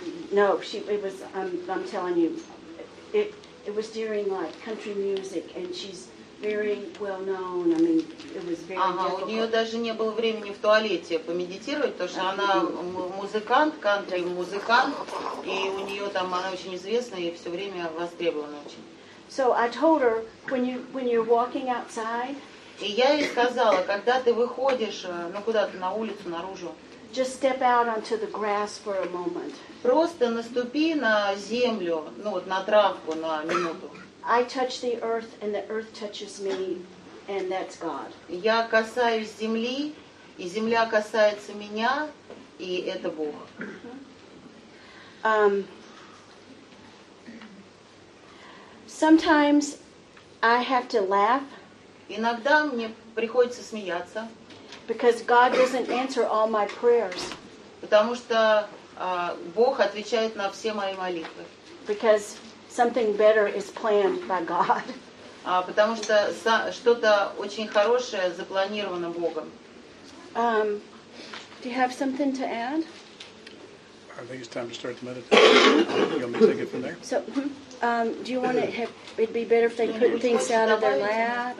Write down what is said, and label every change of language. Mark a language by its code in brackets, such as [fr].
[en] No, I'm telling you. It was during like country music and she's very well known. I mean, it was very difficult. [ru] У неё даже не было времени в туалете помедитировать, потому что она музыкант, кантри-музыкант, и у неё там она очень известная и всё время востребована очень. [en] So I told her when you're walking outside, [ru] и я ей сказала, когда ты выходишь, ну, куда-то на улицу, наружу, [en] just step out onto the grass for a moment. [ru] Просто наступи на землю, ну, вот на травку, на минуту. [en] I touch the earth, and the earth touches me, and that's God. [ru] Я касаюсь земли, и земля касается меня, и это Бог. [en] Sometimes I have to laugh. [ru] Иногда мне приходится смеяться. [en] Because God doesn't answer all my prayers. [ru] Потому что Бог отвечает на все мои молитвы. [en] Because something better is planned by God. [ru] Потому что что-то очень хорошее запланировано Богом. [en] Do you have something to add? I think it's time to start the meditation. You want me to take it from there? So, do you want to have? It'd be better if they put things out of their lap.